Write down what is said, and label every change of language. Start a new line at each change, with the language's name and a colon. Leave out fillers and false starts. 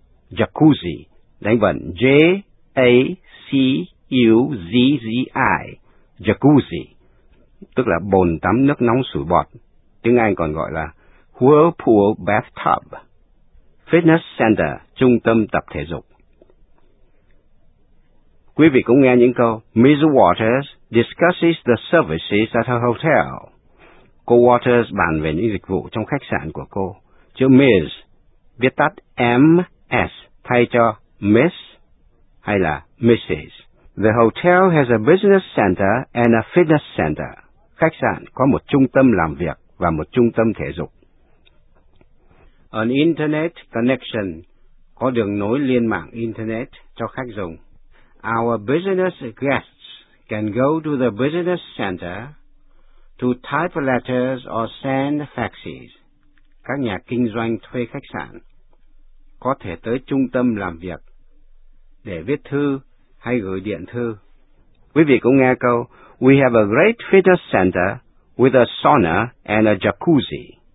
Vietnamese: Jacuzzi, đánh vần J-A-C-U-Z-Z-I, jacuzzi, tức là bồn tắm nước nóng sủi bọt, tiếng Anh còn gọi là whirlpool bathtub. Fitness Center, trung tâm tập thể dục. Quý vị cũng nghe những câu, Ms.
English: Waters discusses the services at her hotel.
Vietnamese: Cô Waters bàn về những dịch vụ trong khách sạn của cô. Chữ Ms. viết tắt M-S thay cho Miss hay là Mrs.
English: The hotel has a business center and a fitness center.
Vietnamese: Khách sạn có một trung tâm làm việc và một trung tâm thể dục.
English: An internet connection,
Vietnamese: có đường nối liên mạng internet cho khách dùng.
English: Our business guests can go to the business center, to type letters or send faxes.
Vietnamese: Các nhà kinh doanh thuê khách sạn có thể tới trung tâm làm việc để viết thư hay gửi điện thư. Quý vị cũng nghe câu,
English: we have a great fitness center with a sauna and a jacuzzi.